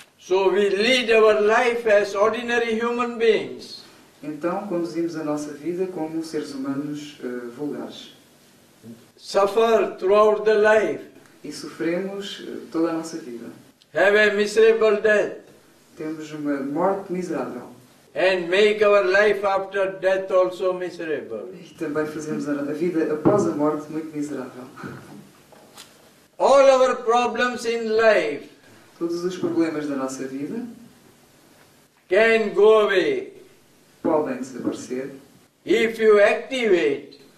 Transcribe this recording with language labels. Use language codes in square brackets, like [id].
[en] So we lead our life as ordinary human beings. [pt] Então conduzimos a nossa vida como seres humanos vulgares. [en] Suffer throughout the life. [pt] E sofremos toda a nossa vida. [en] Have a miserable death. [pt] Temos uma morte miserável. [en] And make our life after death also miserable. [pt] E também fazemos a vida após a morte muito miserável. [en] All our problems in life, [pt] todos os problemas da nossa vida, [en] can go away, [pt] podem desaparecer, [en] if you activate,